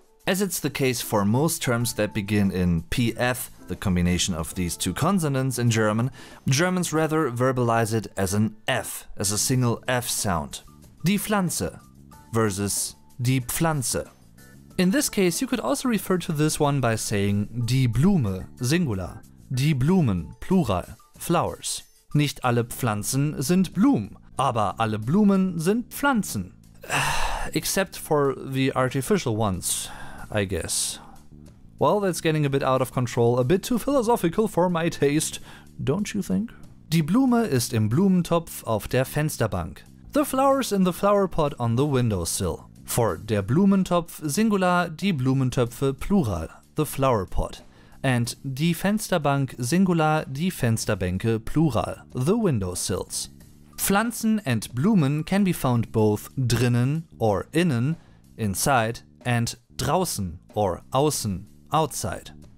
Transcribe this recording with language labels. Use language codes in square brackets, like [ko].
[en] As it's the case for most terms that begin in PF, the combination of these two consonants in German, Germans rather verbalize it as an F, as a single F sound. [de] Die Pflanze versus die Pflanze. [en] In this case, you could also refer to this one by saying [de] die Blume, [en] singular. [de] Die Blumen, [en] plural, flowers. [de] Nicht alle Pflanzen sind Blumen, aber alle Blumen sind Pflanzen. [en] Except for the artificial ones, I guess. Well, that's getting a bit out of control, a bit too philosophical for my taste, don't you think? [de] Die Blume ist im Blumentopf auf der Fensterbank. [en] The flowers in the flower pot on the windowsill. For [de] der Blumentopf, [en] singular, [de] die Blumentöpfe, [en] plural, the flower pot. And [de] die Fensterbank, [en] singular, [de] die Fensterbänke, [en] plural, the windowsills. [de] Pflanzen [en] and [de] Blumen [en] can be found both [de] drinnen [en] or [de] innen, [en] inside, and [de] draußen [en] or [de] außen, [en] outside.